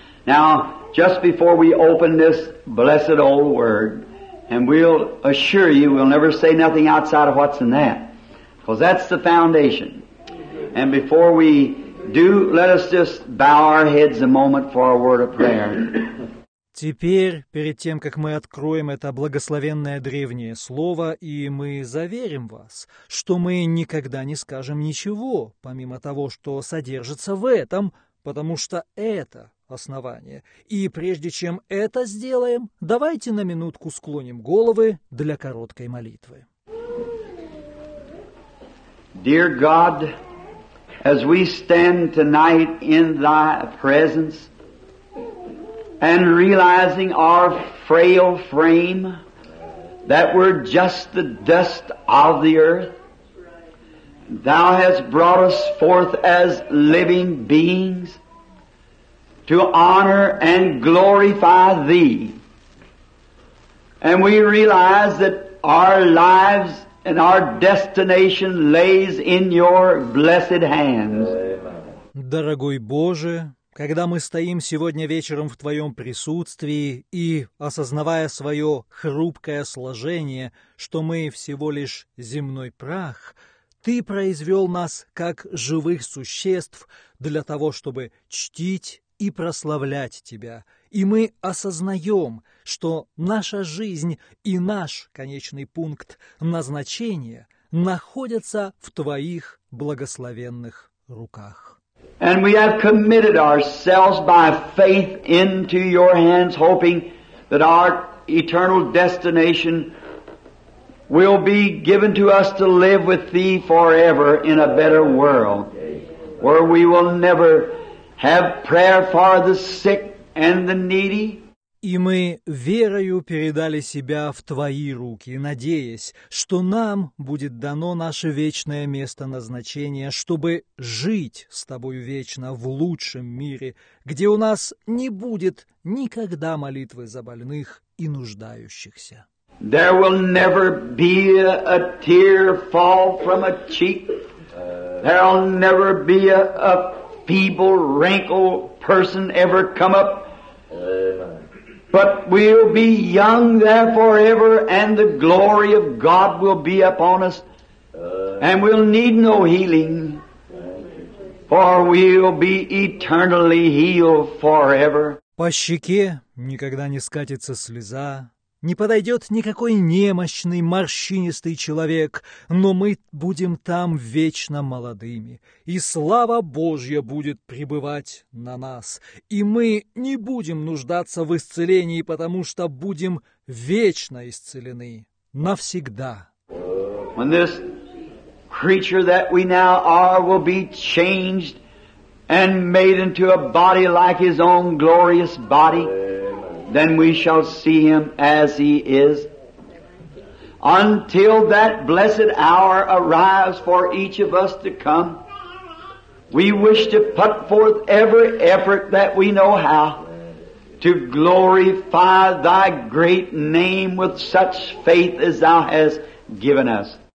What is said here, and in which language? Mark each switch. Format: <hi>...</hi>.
<en>Now, just before we open this blessed old word, and we'll assure you, we'll never say nothing outside of what's in that, because that's the foundation. And before we do, let us just bow our heads a moment for a word of prayer.</en> <ru>Теперь, перед тем, как мы откроем это благословенное древнее слово, и мы заверим вас, что мы никогда не скажем ничего, помимо того, что содержится в этом, потому что это основание. И прежде чем это сделаем, давайте на минутку склоним головы для короткой молитвы.</ru> <en>Dear God, as we stand tonight in Thy presence and realizing our frail frame, that we're just the dust of the earth, Thou hast brought us forth as living beings to honor and glorify Thee. And we realize that our lives and our destination lays in Your blessed hands.</en> <ru>Дорогой Боже, когда мы стоим сегодня вечером в Твоем присутствии и, осознавая свое хрупкое сложение, что мы всего лишь земной прах, Ты произвел нас как живых существ для того, чтобы чтить и прославлять Тебя. И мы осознаем, что наша жизнь и наш конечный пункт назначения находятся в Твоих благословенных руках.</ru> <en>And we have committed ourselves by faith into Your hands, hoping that our eternal destination will be given to us to live with Thee forever in a better world, where we will never have prayer for the sick and the needy.</en> <ru>И мы верою передали себя в Твои руки, надеясь, что нам будет дано наше вечное место назначения, чтобы жить с Тобою вечно в лучшем мире, где у нас не будет никогда молитвы за больных и нуждающихся.</ru> <en>There will never be a tear fall from a cheek. There will never be a feeble, wrinkled person ever come up. But we'll be young there forever, and the glory of God will be upon us, and we'll need no healing, for we'll be eternally healed forever.</en> <ru>По щеке никогда не скатится слеза, не подойдет никакой немощный, морщинистый человек, но мы будем там вечно молодыми, и слава Божья будет пребывать на нас, и мы не будем нуждаться в исцелении, потому что будем вечно исцелены, навсегда.</ru> <en>When this creature that we now are will be changed and made into a body like His own glorious body, then we shall see Him as He is. Until that blessed hour arrives for each of us to come, we wish to put forth every effort that we know how to glorify Thy great name with such faith as Thou hast given us.</en>